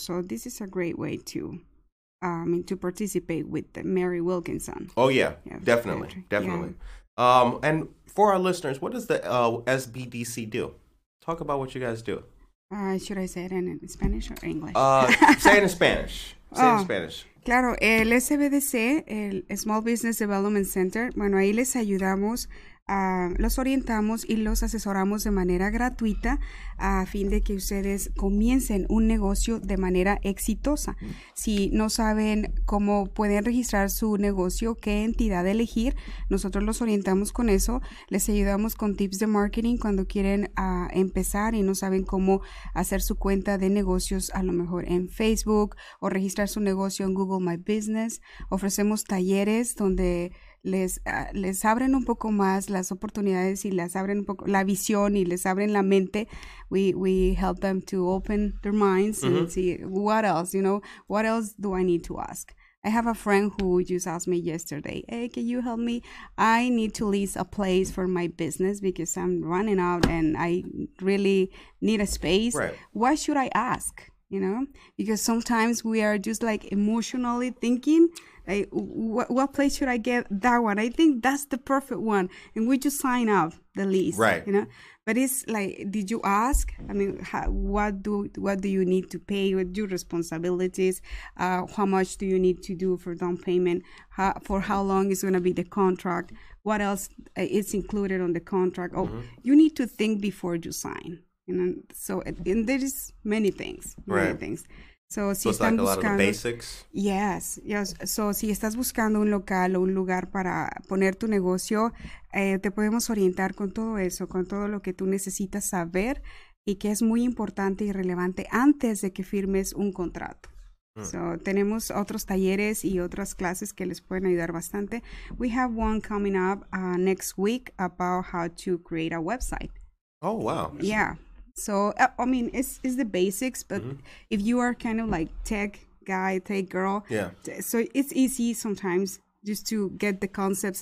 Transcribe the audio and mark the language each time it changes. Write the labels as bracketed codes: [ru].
[en] So this is a great way to participate with Mary Wilkinson. Oh, yeah. Definitely. Definitely. Yeah. And for our listeners, what does the SBDC do? Talk about what you guys do. Should I say it in Spanish or English? Say it in Spanish. [es] Claro, el SBDC, el Small Business Development Center, bueno, ahí les ayudamos, los orientamos y los asesoramos de manera gratuita a fin de que ustedes comiencen un negocio de manera exitosa. Si no saben cómo pueden registrar su negocio, qué entidad elegir, nosotros los orientamos con eso. Les ayudamos con tips de marketing cuando quieren empezar y no saben cómo hacer su cuenta de negocios, a lo mejor en Facebook o registrar su negocio en Google My Business. Ofrecemos talleres donde les abren un poco más las oportunidades y les abren un poco la visión y les abren la mente. [en] We help them to open their minds and see what else, you know, what else do I need to ask? I have a friend who just asked me yesterday, hey, can you help me? I need to lease a place for my business because I'm running out and I really need a space. Right. What should I ask? you know, because sometimes we are just like emotionally thinking, like, what place should I get that one? I think that's the perfect one. And we just sign up the lease, right? You know, but it's like, did you ask? I mean, what do you need to pay with your responsibilities? How much do you need to do for down payment? For how long is going to be the contract? What else is included on the contract? Oh, mm-hmm. You need to think before you sign. And there is many things, So it's like a buscando, lot of the basics. Yes, yes. [es] So si estás buscando un local o un lugar para poner tu negocio, te podemos orientar con todo eso, con todo lo que tú necesitas saber y que es muy importante y relevante antes de que firmes un contrato. So, tenemos otros talleres y otras clases que les pueden ayudar bastante. [en] We have one coming up next week about how to create a website. Oh, wow. Yeah. So, I mean, it's the basics, but mm-hmm. if you are kind of like tech guy, tech girl, so it's easy sometimes just to get the concepts.